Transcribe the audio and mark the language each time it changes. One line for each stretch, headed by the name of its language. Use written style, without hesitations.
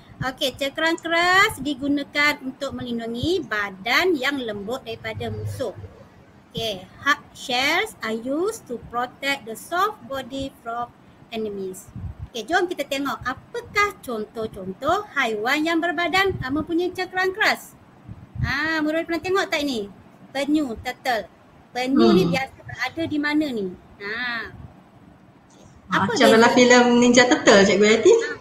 Malay: Okey, cengkerang keras digunakan untuk melindungi badan yang lembut daripada musuh.
English: Okay, hard shells are used to protect the soft body from enemies.
Malay: Okay, jom kita tengok apakah contoh-contoh haiwan yang berbadan mempunyai cengkerang keras. Murid pernah tengok tak ni? Penyu, turtle. Penyu ni biasa berada di mana ni? Apa macam dalam filem Ninja Turtle, Cikgu Yati.